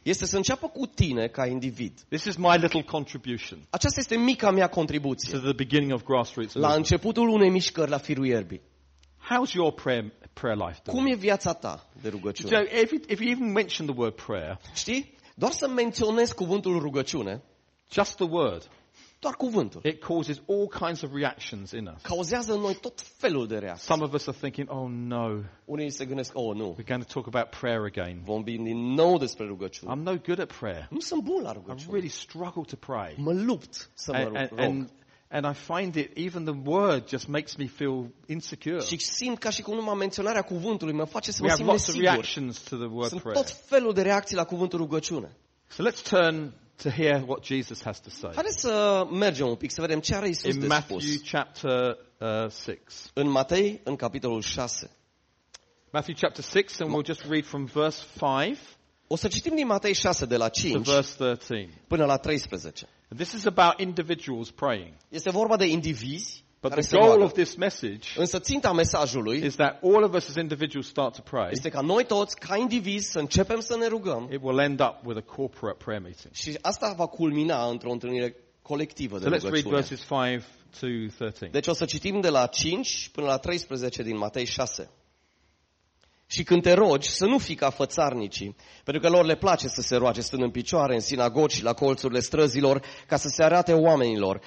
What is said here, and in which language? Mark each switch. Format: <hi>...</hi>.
<ro>Este să înceapă cu tine ca individ.</ro> <en>This is my little contribution.</en> <ro>Aceasta este mica mea contribuție.</ro> <en>To the beginning of grassroots.</en> <ro>La începutul unei mișcări la firul ierbii.</ro> <en>How's your prayer life?</en> <ro>Cum e viața ta de rugăciune?</ro> <en>So if you even mention the word prayer.</en> <ro>Știi? Doar să menționez cuvântul rugăciune.</ro> <en>Just the word.</en> <ro>Doar cuvântul.</ro> <en>It causes all kinds of reactions in us.</en> <ro>Cauzează în noi tot felul de reacții.</ro> <en>Some of us are thinking, oh no.</en> <ro>Unii se gândesc, oh nu.</ro> <en>We're going to talk about prayer again.</en> <ro>Vom vorbi din nou despre rugăciune.</ro> <en>I'm no good at prayer.</en> <ro>Nu sunt bun la rugăciune.</ro> <en>I really struggle to pray.</en> <ro>Mă lupt să mă rog.</ro> <en>And I find it even the word just makes me feel insecure.</en> <ro>Și simt ca și cum numai menționarea cuvântului mă face să mă simt</ro> <en>nesigur. Reactions to the word</en> <ro>prayer. Sunt tot felul de reacții la cuvântul rugăciune.</ro> <en>So let's turn to hear what Jesus has to say.</en> <ro>Haideți să mergem un pic să vedem ce are Iisus de spus.</ro> <en>In Matthew chapter 6.</en> <ro>În Matei, în capitolul 6.</ro> <en>Matthew chapter 6, and we'll just read from verse 5.</en> <ro>O să citim din Matei 6 de la 5</ro> <en>to verse 13.</en> <ro>Până la 13.</ro> <en>This is about individuals praying.</en> <ro>Este vorba de indivizi.</ro> <en>But the goal of this message,</en> <ro>însă ținta mesajului,</ro> <en>is that all of us as individuals start to pray.</en> <ro>Este ca noi toți, ca indivizi, să începem să ne rugăm.</ro> <en>It will end up with a corporate prayer meeting.</en> <ro>Și asta va culmina într-o întâlnire colectivă de</ro> <en>rugăciune. So let's read verses 5-13.</en> <ro>Deci o să citim de la 5 până la 13 din Matei 6. Și când te rogi, să nu fii ca fățarnicii, pentru că lor le place să se roage stând în picioare, în sinagogi, la colțurile străzilor, ca să se arate oamenilor.</ro>